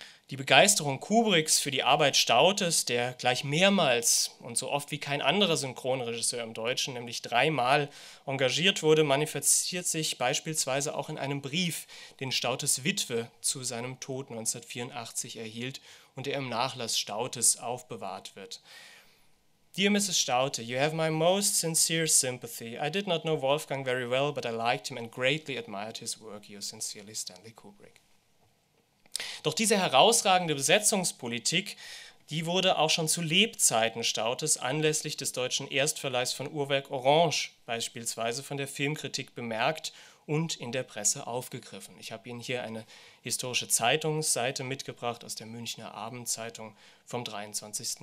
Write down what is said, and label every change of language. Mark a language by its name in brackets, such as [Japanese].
[German] Die Begeisterung Kubricks für die Arbeit Staudtes, der gleich mehrmals und so oft wie kein anderer Synchronregisseur im Deutschen, nämlich dreimal engagiert wurde, manifestiert sich beispielsweise auch in einem Brief, den Staudtes Witwe zu seinem Tod 1984 erhielt und der im Nachlass Staudtes aufbewahrt wird. [English] Dear Mrs. Staudte, you have my most sincere sympathy. I did not know Wolfgang very well, but I liked him and greatly admired his work. Yours sincerely, Stanley Kubrick. [German] Doch diese herausragende Besetzungspolitik, die wurde auch schon zu Lebzeiten Staudtes anlässlich des deutschen Erstverleihs von Uhrwerk Orange beispielsweise von der Filmkritik bemerkt und in der Presse aufgegriffen. Ich habe Ihnen hier eine historische Zeitungsseite mitgebracht aus der Münchner Abendzeitung vom 23.